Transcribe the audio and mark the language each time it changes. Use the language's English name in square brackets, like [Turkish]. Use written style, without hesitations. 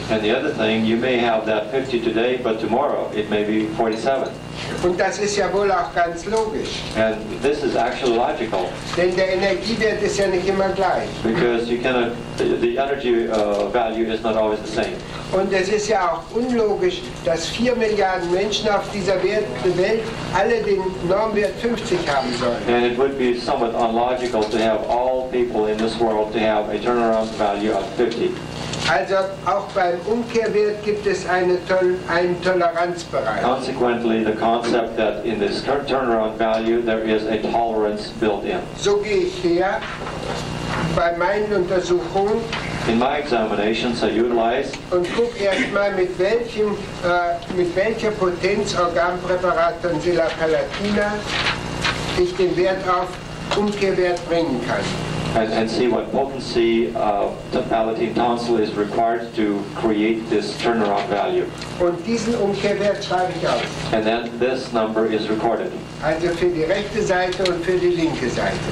[English] And the other thing, you may have that 50 today, but tomorrow it may be 47. [German] Und das ist ja wohl auch ganz logisch. [English] And this is actually logical. [German] Denn der Energiewert ist ja nicht immer gleich. [English] Because you cannot, the energy value is not always the same. [German] Und es ist ja auch unlogisch, dass 4 Milliarden Menschen auf dieser Welt alle den Normwert 50 haben sollen. [English] And it would be somewhat unlogical to have all people in this world to have a turnaround value of 50. [German] Also auch beim Umkehrwert gibt es einen Toleranzbereich. [English] Consequently, the concept that in this turnaround value there is a tolerance built in. [German] So gehe ich her bei meinen Untersuchungen. [English] In my examinations I utilize. [German] Und guck erstmal mit welcher Potenz Organpräparat Tonsilla palatina ich den Wert auf Umkehrwert bringen kann. [English] And see what potency of the palatine tonsil is required to create this turnaround value. [German] Und diesen Umkehrwert schreibe ich aus. [English] And then this number is recorded. [German] Also für die rechte Seite und für die linke Seite.